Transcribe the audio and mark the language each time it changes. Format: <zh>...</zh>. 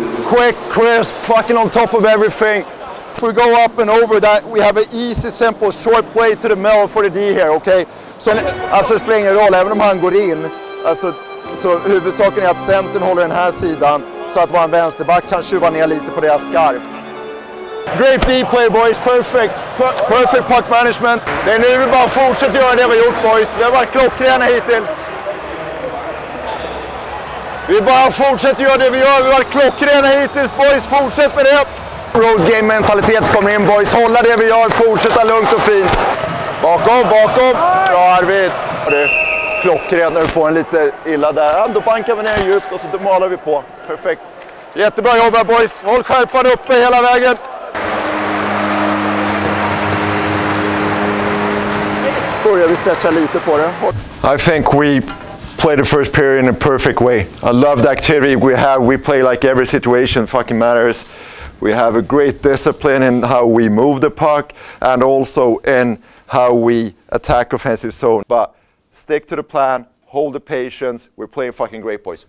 <en>Quick, crisp, fucking on top of everything. If we go up and over that, we have an easy, simple, short play to the middle for the D here, okay?</en> <sv>So, alltså, det spelar ingen roll, även om han går in. Alltså, så huvudsaken är att centern håller den här sidan. Så att vår vänsterback kan tjuva ner lite på deras skarp.</sv> <en>Great deep play boys, perfect. Perfect puck management.</en> <sv>Det är nu vi bara fortsätter göra det vi gjort boys. Vi har varit klockrena hittills. Vi bara fortsätter göra det vi gör. Vi har varit klockrena hittills boys. Fortsätt med det. Road game mentalitet kommer in boys. Hålla det vi gör. Fortsätta lugnt och fint. Bakom, bakom. Bra Arvid. Klockren när du får en lite illa där. Då bankar vi ner djupt och så malar vi på. Perfekt. Jättebra jobb här boys. Håll skärpan uppe hela vägen. Börjar vi stretcha lite på det.</sv> <en>I think we played the first period in a perfect way. I love the activity we have. We play like every situation fucking matters. We have a great discipline in how we move the puck and also in how we attack offensive zone. But stick to the plan, hold the patience, we're playing fucking great boys.</en>